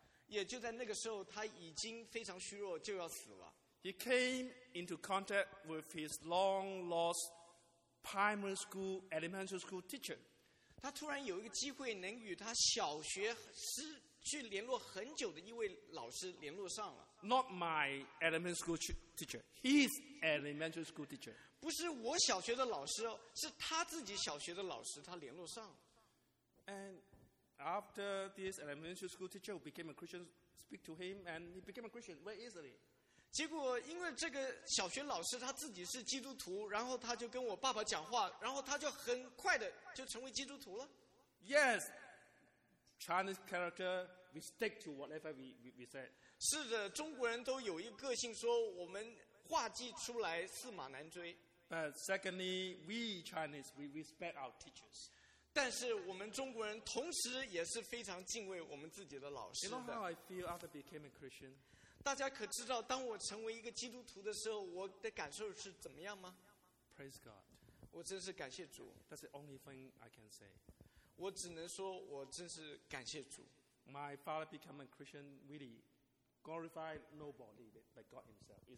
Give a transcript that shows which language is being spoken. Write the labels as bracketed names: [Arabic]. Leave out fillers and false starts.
[Chinese] 也就在那个时候，他已经非常虚弱，就要死了。 [English] He came into contact with his long lost primary school, elementary school teacher. [Chinese] 他突然有一个机会能与他小学师。去联络很久的一位老师联络上了。 [English] Not my elementary school teacher, his elementary school teacher. [Chinese] 不是我小学的老师，是他自己小学的老师，他联络上了。 [English] And after this elementary school teacher became a Christian, speak to him, and he became a Christian very easily. [Chinese] 结果因为这个小学老师他自己是基督徒，然后他就跟我爸爸讲话，然后他就很快的就成为基督徒了。 [English] Yes. Chinese character, we stick to whatever we said. [Chinese] 是的，中国人都有一个性，说我们话既出来，驷马难追。 [English] But secondly, we Chinese, we respect our teachers. [Chinese] 但是我们中国人同时也是非常敬畏我们自己的老师的。 [English] You know how I feel after becoming a Christian? [Chinese] 大家可知道，当我成为一个基督徒的时候，我的感受是怎么样吗？ [English] Praise God. [Chinese] 我真是感谢主。 [English] That's the only thing I can say. [Chinese] 我只能说，我真是感谢主。 [English] My father became a Christian, really glorified nobody but God Himself.